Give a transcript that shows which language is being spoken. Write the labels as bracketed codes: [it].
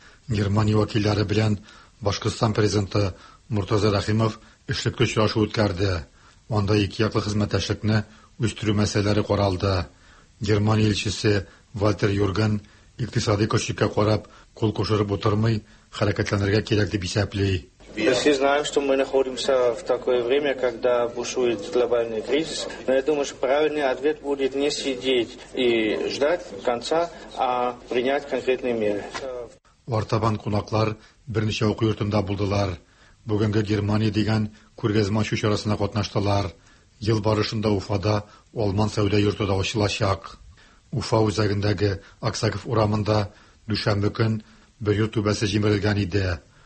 [tt] Германия вәкилләре белән Башкортстан президенты Муртаза Рахимов эшлекле очрашу үткәрде. Анда ике яклы хезмәттәшлекне үстерү мәсьәләләре каралды. Германия илчесе Вальтер Юрген икътисади көчкә карап кул кушырып утырмый, хәрәкәтләнергә кирәк дип исәпли. [ru] Мы все знаем, что мы находимся в такое время, когда бушует глобальный кризис. Но я думаю, что правильный ответ будет не сидеть и ждать конца, а принять конкретные меры. [tt] Вартабан кунаклар берничә уку йортында булдылар. Бүгенге Германия дигән күргәзмә ачу чарасына катнаштылар. Ел барышында Уфада Алман сәүдә йорты да ачылачак. Уфа үзәгендәге Аксаков урамында дүшәмбе көн бер йорт түбәсе җимерелгән иде.